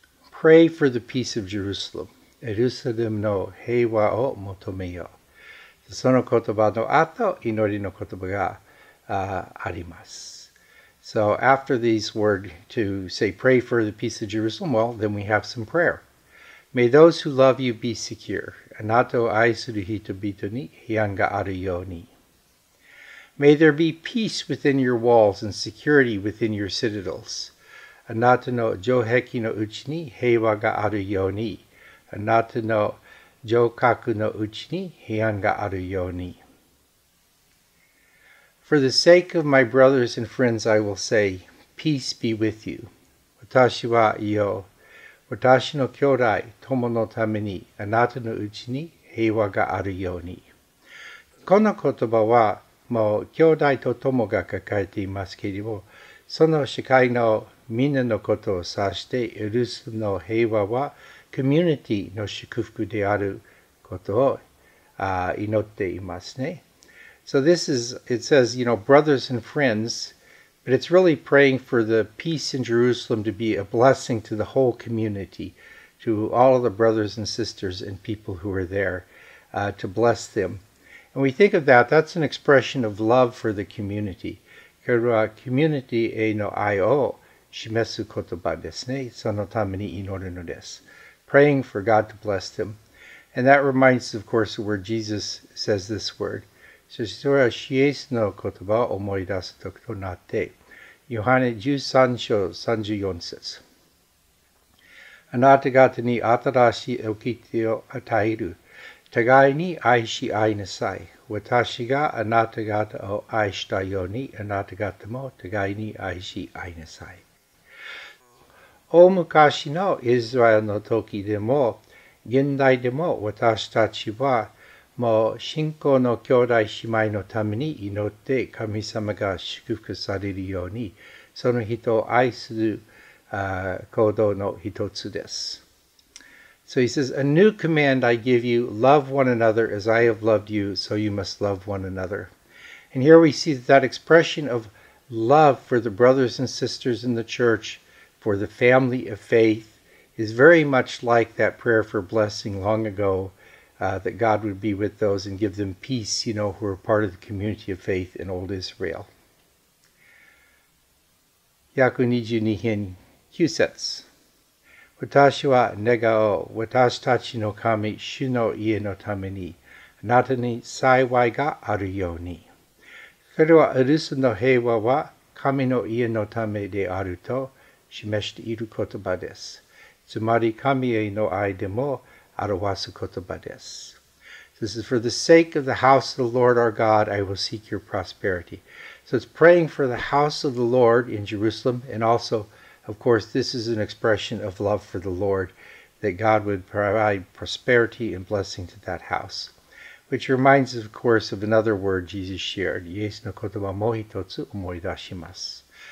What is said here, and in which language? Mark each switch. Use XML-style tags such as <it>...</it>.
<en>Pray for the peace of Jerusalem.</en> <ja>エルサレムの平和を求めよう。その言葉の後、祈りの言葉が、あります。</ja> <en>So after these words to say pray for the peace of Jerusalem, well, then we have some prayer. May those who love you be secure.</en> <ja>あなたを愛する人々に平安があるように。</ja> <en>May there be peace within your walls and security within your citadels.</en> <ja>あなたの城壁のうちに平和があるように、あなたの城郭のうちに平安があるように。</ja> <en>For the sake of my brothers and friends, I will say, peace be with you.</en> <ja>私は言おう、私の兄弟、友のために、あなたのうちに平和があるように。この言葉は、もう兄弟と友が書かれていますけれども、その視界のみんなのことを指して、エルサレムの平和は、コミュニティの祝福であることを祈っていますね。</ja> <en>So this is, it says, you know, brothers and friends, but it's really praying for the peace in Jerusalem to be a blessing to the whole community, to all of the brothers and sisters and people who are there, to bless them. And we think of that, that's an expression of love for the community.</en> <ja>これはコミュニティへの愛を示す言葉ですね。そのために祈るのです。</ja> <en>Praying for God to bless them. And that reminds us, of course, of where Jesus says this word.</en> <ja>そしてそれは主イエスの言葉を思い出す時となって。ヨハネ13章34節。あなた方に新しい掟を与える。互いに愛し合いなさい。私があなた方を愛したように、あなた方も互いに愛し合いなさい。大昔のイスラエルの時でも、現代でも私たちは、もう信仰の兄弟姉妹のために祈って神様が祝福されるように、その人を愛する行動の一つです。</ja> <en>So he says, a new command I give you, love one another as I have loved you, so you must love one another. And here we see that expression of love for the brothers and sisters in the church, for the family of faith, is very much like that prayer for blessing long ago, that God would be with those and give them peace, you know, who are part of the community of faith in old Israel.</en> <ja>122編9節私は願おう、私たちの神、主の家のために、あなたに幸いがあるように。それは、留守の平和は、神の家のためであると示している言葉です。つまり、神への愛でも表す言葉です。</ja> <en>This is for the sake of the house of the Lord our God, I will seek your prosperity. So it's praying for the house of the Lord in Jerusalem and also of course, this is an expression of love for the Lord, that God would provide prosperity and blessing to that house. Which reminds us, of course, of another word Jesus shared.</en> <ja>イエスの言葉をもう一つ思い出します。</ja>